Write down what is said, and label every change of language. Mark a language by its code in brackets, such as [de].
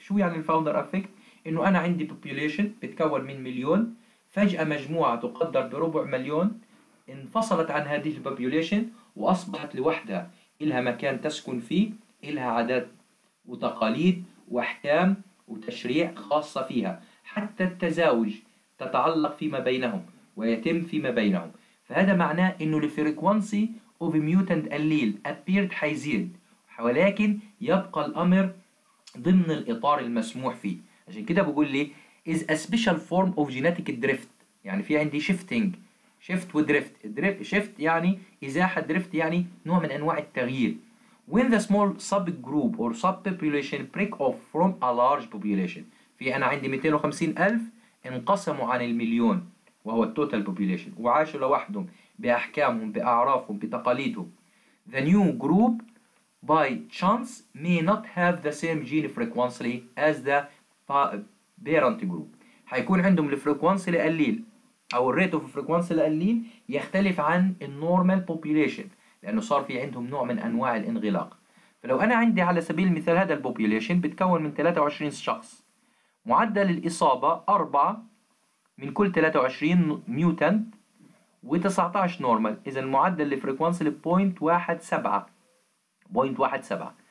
[ar] شو يعني الفاوندر أفكت؟ إنه أنا عندي population بتكون من مليون، فجأة مجموعة تقدر بربع مليون انفصلت عن هذه population وأصبحت لوحدها، إلها مكان تسكن فيه، إلها عادات وتقاليد وأحكام وتشريع خاصة فيها، حتى التزاوج تتعلق فيما بينهم ويتم فيما بينهم. فهذا معناه إنه [en] the frequency of mutant allele appeared [ar] حيزيد، ولكن يبقى الأمر ضمن الإطار المسموح فيه. عشان كده بقول لي [en] is a special form of genetic drift، [ar] يعني في عندي shifting، shift ودrift. drift shift يعني إزاحة، drift يعني نوع من أنواع التغيير. [en] when the small subgroup or subpopulation break off from a large population، [ar] في أنا عندي 250 ألف انقسموا عن المليون وهو التوتال بوبيوليشن، وعاشوا لوحدهم بأحكامهم بأعرافهم بتقاليدهم. [en] The new group by chance may not have the same gene frequency as the parent group. [ar] هيكون عندهم الفريكوانسي القليل أو الريت اوف فريكوانسي القليل يختلف عن النورمال بوبيوليشن، لأنه صار في عندهم نوع من أنواع الانغلاق. فلو أنا عندي على سبيل المثال هذا البوبيوليشن بتكون من 23 شخص، معدل الإصابة 4 من كل 23 ميوتنت و19 نورمال، إذا المعدل الفريكوانسي 0.17.